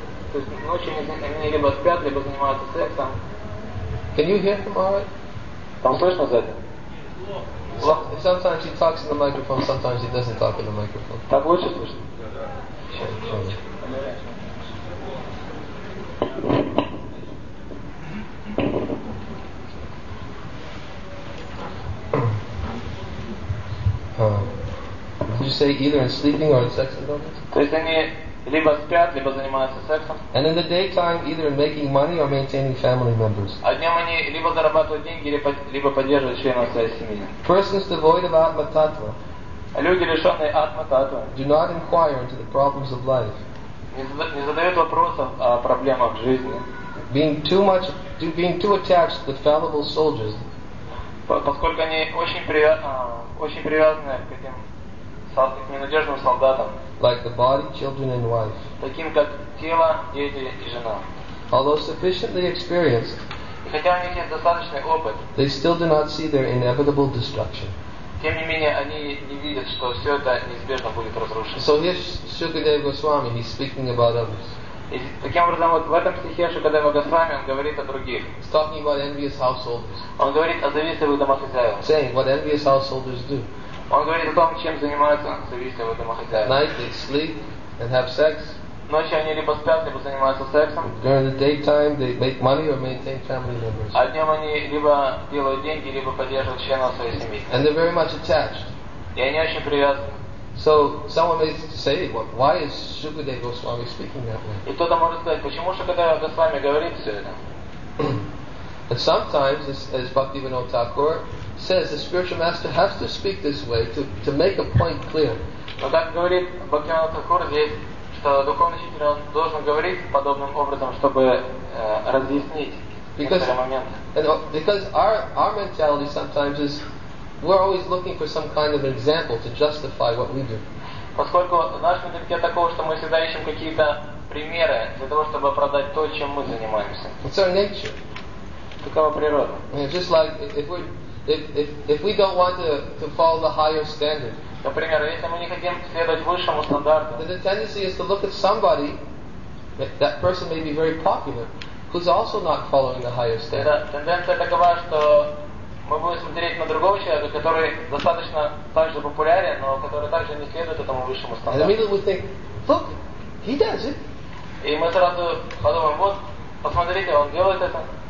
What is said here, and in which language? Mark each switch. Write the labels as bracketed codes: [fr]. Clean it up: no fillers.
[ru] То есть ночью они либо спят, либо занимаются сексом. [en] Can you hear him all right? [ru] Там слышно сзади? [en] Well, sometimes he talks in the microphone, sometimes he doesn't talk in the microphone. [ru] Так лучше слышно? Да, да. [en] Did you say either in sleeping or in sex indulgence? [ru] Либо спят, либо занимаются сексом. [en] And in the daytime, either making money or maintaining family members. [ru] А днем они либо зарабатывают деньги, либо поддерживают членов своей семьи. [en] Persons devoid of atma tattva. [ru] Люди, лишенные атма таттвы. [en] Do not inquire into the problems of life. [ru] Не задают вопросов о проблемах жизни. [en] Being too attached to the fallible soldiers. [ru] Поскольку они очень привязаны к этим ненадежным солдатам. [en] Like the body, children, and wife. [ru] Таким как тело, дети и жена. [en] Although sufficiently experienced, [ru] и хотя у них есть достаточный опыт, [en] they still do not see their inevitable destruction. [ru] Тем не менее, они не видят, что все это неизбежно будет разрушено. [en] So here's Shukadeva Goswami, he's speaking about others. [ru] И таким образом, вот в этом стихе Шукадева Госвами он говорит о других. [en] He's talking about envious householders. [ru] Он говорит о завистливых домохозяевах. [en] Saying what envious householders do. [ru] Он говорит о том, чем занимаются завистливые домохозяева. [en] Night they sleep and have sex. [ru] Ночью они либо спят, либо занимаются сексом. [en] During the daytime they make money or maintain family members. [ru] А днем они либо делают деньги, либо поддерживают членов своей семьи. [en] And they're very much attached. [ru] И они очень привязаны. [en] So someone may say, well, why is Shukadeva Goswami speaking that way? [ru] И кто-то может сказать, почему Шукадева Госвами говорит все это? [en] And sometimes, as Bhaktivinoda Thakur says, the spiritual master has to speak this way to make a point clear. [ru] Но так говорит Бхактивинода Тхакура здесь, что духовный учитель он должен говорить подобным образом, чтобы разъяснить некоторые моменты. [en] Because our mentality sometimes is We're always looking for some kind of example to justify what we do. [ru] Поскольку наш менталитет такого, что мы всегда ищем какие-то примеры для того, чтобы оправдать то, чем мы занимаемся. [en] It's our nature. [ru] Такова природа. [en] Yeah, just like if we don't want to follow the higher standard. [ru] Например, если мы не хотим следовать высшему стандарту. [en] The tendency is to look at somebody, that person may be very popular, who's also not following the higher standard. [ru] Тенденция такова, что мы будем смотреть на другого человека, который достаточно также популярен, но который также не следует этому высшему стандарту. [en] And immediately we think, look, he does it. [ru] И мы сразу подумаем, вот, посмотрите, он делает это.